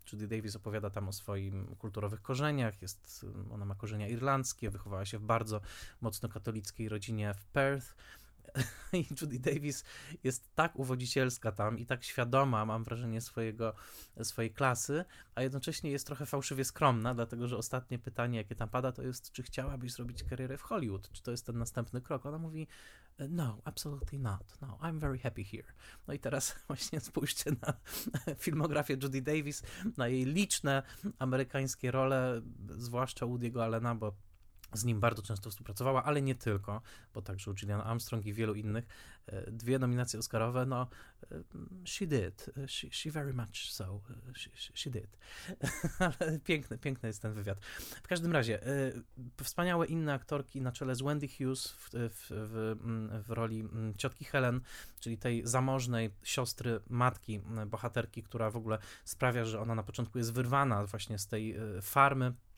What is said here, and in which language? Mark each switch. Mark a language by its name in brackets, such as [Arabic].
[Polish] Judy Davis opowiada tam o swoich kulturowych korzeniach. Ona ma korzenia irlandzkie, wychowała się w bardzo mocno katolickiej rodzinie w Perth. I Judy Davis jest tak uwodzicielska tam i tak świadoma, mam wrażenie, swojej klasy, a jednocześnie jest trochę fałszywie skromna, dlatego że ostatnie pytanie, jakie tam pada, to jest, czy chciałabyś zrobić karierę w Hollywood, czy to jest ten następny krok. Ona mówi, no, [English] absolutely not, no, I'm very happy here. [Polish] No i teraz właśnie spójrzcie na filmografię Judy Davis, na jej liczne amerykańskie role, zwłaszcza Woody'ego Allena, bo z nim bardzo często współpracowała, ale nie tylko, bo także u Gillian Armstrong i wielu innych. Dwie nominacje Oscarowe, no, [English] she did, she very much so, she did. [Polish] Ale piękny jest ten wywiad. W każdym razie, wspaniałe inne aktorki na czele z Wendy Hughes w roli ciotki Helen, czyli tej zamożnej siostry matki bohaterki, która w ogóle sprawia, że ona na początku jest wyrwana właśnie z tej farmy